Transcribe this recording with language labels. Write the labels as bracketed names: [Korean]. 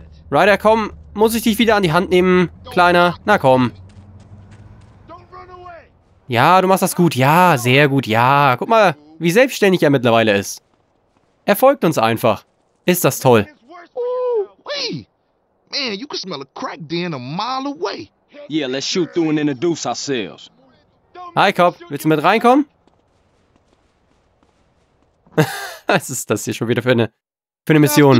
[German] Ryder, komm, muss ich dich wieder an die Hand nehmen, Kleiner? Na komm. Ja, du machst das gut. Ja, sehr gut. Ja, guck mal, wie selbstständig er mittlerweile ist. Er folgt uns einfach. Ist das toll. Ooh-wee. [English] Man, you can smell a crack den a mile away. Yeah, let's shoot through and introduce ourselves. Hi, Cop. [German] Willst du mit reinkommen? Was ist das hier schon wieder für eine Mission?